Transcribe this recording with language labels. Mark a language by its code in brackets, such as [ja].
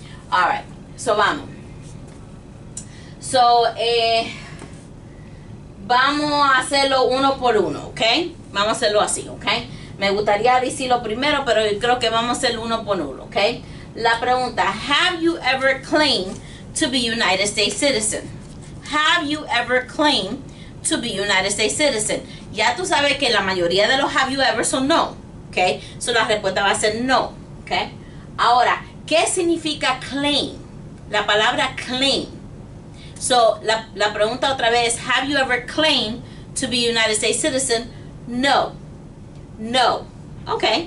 [es] Alright, so vamos. So, vamos a hacerlo uno por uno, ok. Vamos a hacerlo así, ok. Me gustaría decirlo primero, pero creo que vamos a hacerlo uno por uno, ok. La pregunta, [en] have you ever claimed to be United States citizen? Have you ever claimed to be United States citizen? [es] Ya tú sabes que la mayoría de los [en] have you ever [es] son no, ok. So, la respuesta va a ser no, ok. Ahora, ¿qué significa claim? La palabra claim. [en] So, [es] la pregunta otra vez, [en] have you ever claimed to be United States citizen? No. No. Ok.